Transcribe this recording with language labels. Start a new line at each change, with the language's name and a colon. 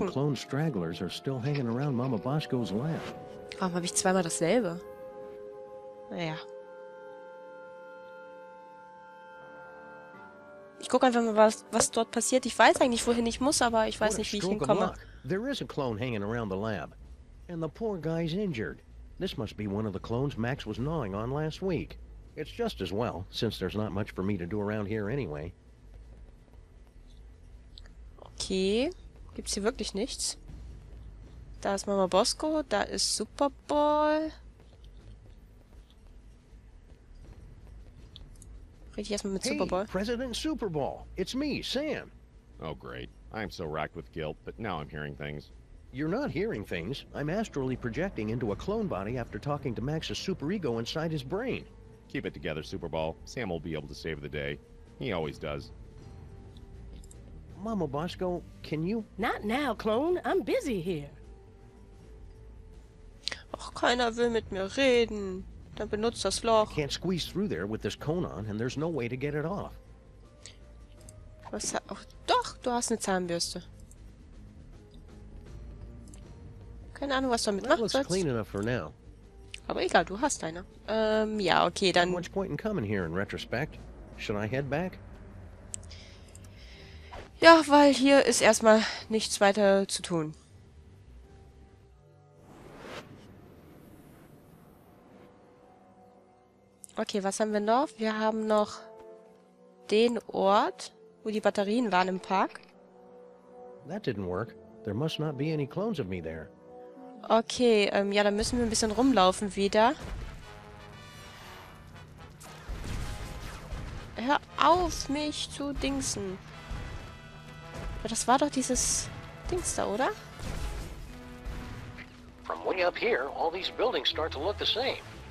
English: Some clone stragglers are still hanging around Mama Bosco's lab.
German: Warum habe ich zweimal dasselbe? Naja. Ich gucke einfach mal, was dort passiert. Ich weiß eigentlich, wohin ich muss, aber ich weiß nicht, wie ich hinkomme.
English: There is a clone hanging around the lab. And the poor guy's injured. This must be one of the clones Max was gnawing on last week. It's just as well, since there's not much for me to do around here anyway.
German: Okay, gibt's hier wirklich nichts? Da ist Mama Bosco, da ist Superboy. Red ich erstmal mit Superboy.
English: Hey, President Superboy, it's me, Sam. Oh great, I'm so racked with guilt, but now I'm hearing things. You're not hearing things. I'm astrally projecting into a clone body after talking to Max's superego inside his brain. Keep it together, Superboy. Sam will be able to save the day. He always does. Mama Bosco, can you... Not now, Clone. I'm busy here.
German: Ach, keiner will mit mir reden. Dann benutzt das Loch.
English: I can't squeeze through there with this cone on, and there's no way to get it off.
German: Was hat... Ach, doch, du hast eine Zahnbürste. Keine Ahnung, was du damit machen sollst.
English: That looks clean enough for now.
German: Aber egal, du hast eine. Ja, okay, dann...
English: Not much point in coming here in retrospect. Should I head back?
German: Ja, weil hier ist erstmal nichts weiter zu tun. Okay, was haben wir noch? Wir haben noch den Ort, wo die Batterien waren im Park.
English: That didn't work. There must not be any clones of me there.
German: Okay, ja, dann müssen wir ein bisschen rumlaufen wieder. Hör auf, mich zu dingsen. Das war doch dieses Dings da, oder?
English: From way up here, all these buildings start to look the same.